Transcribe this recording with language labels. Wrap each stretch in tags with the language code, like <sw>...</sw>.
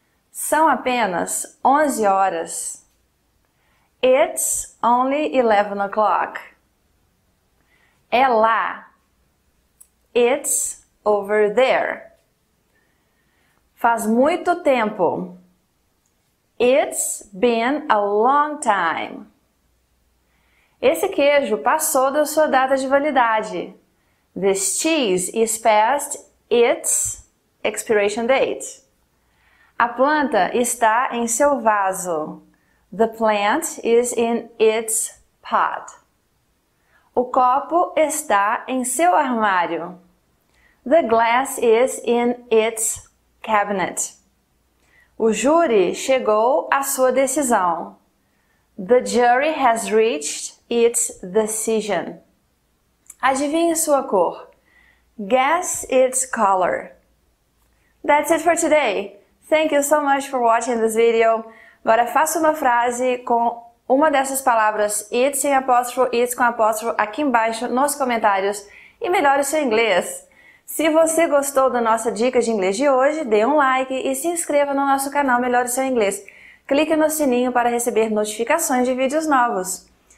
<pt>São apenas 11 horas.</pt> <en>It's only 11 o'clock.</en> <pt>É lá.</pt> <en>It's over there.</en> <pt>Faz muito tempo.</pt> <en>It's been a long time.</en> <pt>Esse queijo passou da sua data de validade.</pt> <en>This cheese is past its expiration date.</en> <pt>A planta está em seu vaso.</pt> <en>The plant is in its pot.</en> <pt>O copo está em seu armário.</pt> <en>The glass is in its cabinet.</en> <pt>O júri chegou à sua decisão.</pt> <en>The jury has reached its decision.</en> <pt>Adivinhe sua cor.</pt> <en>Guess its color. That's it for today. Thank you so much for watching this video.</en> <pt>Agora faça uma frase com uma dessas palavras, it sem apóstrofo, it com apóstrofo, aqui embaixo nos comentários e melhore o seu inglês. Se você gostou da nossa dica de inglês de hoje, dê um like e se inscreva no nosso canal Melhore Seu Inglês. Clique no sininho para receber notificações de vídeos novos.</pt>